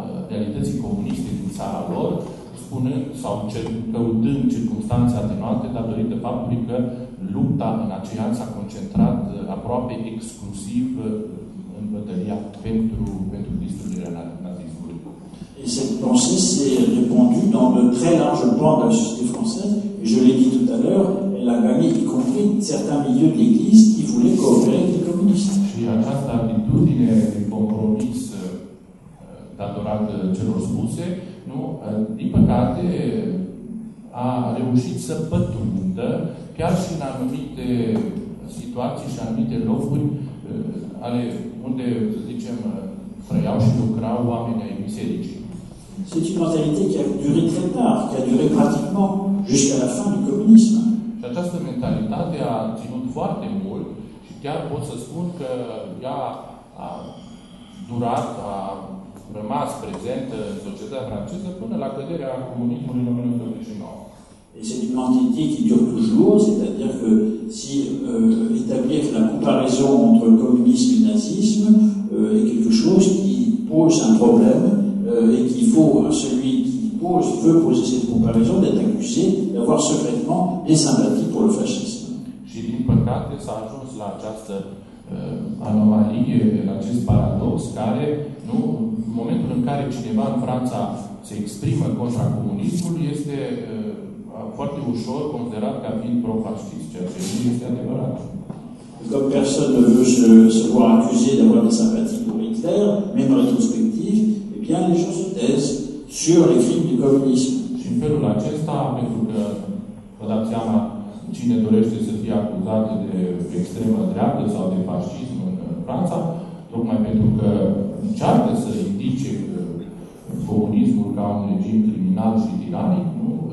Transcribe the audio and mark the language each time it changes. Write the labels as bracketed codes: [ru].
[ro] realității comuniste din țara lor, spunând sau căutând circunstanțe atenuante datorită faptului că lupta în aceea s-a concentrat aproape exclusiv în bătălia pentru distrugerea nazismului. [fr] Et cette pensée s'est répandue dans de très larges pans de la société française, et je l'ai dit tout à l'heure, elle a gagné y compris certains milieux d'église qui voulaient coopérer avec les communistes. [ro] Și această atitudine de compromis datorată celor spuse, nu, din păcate, a reușit să pătrundă chiar și în anumite situații și anumite locuri ale unde, să zicem, trăiau și lucrau oamenii ai bisericii. [fr] C'est une mentalité qui a duré très tard, qui a duré pratiquement jusqu'à la fin du communisme. [ro] Și această mentalitate a ținut foarte mult și chiar pot să spun că ea a durat, a rămas prezentă în societatea franceză până la căderea comunismului în 1989. [fr] Et c'est une mentalité qui dure toujours, c'est-à-dire que si établir la comparaison entre le communisme et le nazisme est quelque chose qui pose un problème et qu'il faut, celui qui pose, veut poser cette comparaison, d'être accusé d'avoir secrètement des sympathies pour le fascisme. [ro] Și din păcate s-a ajuns la această anomalie, la acest paradox care, nu, în momentul în care cineva în Franța se exprimă contra comunismului, este foarte ușor considerat ca fiind pro-fascist, ceea ce nu este adevărat. [fr] Comme personne ne veut se voir accusé d'avoir des sympathies pour Hitler, même rétrospectif, eh bien les gens se taisent sur les crimes du communisme. [ro] Și în felul acesta, pentru că vă dați seama cine dorește să fie acuzat de extremă dreaptă sau de fascism în Franța, tocmai pentru că încearcă să ridice comunismul ca un regim criminal și tiranic, nu?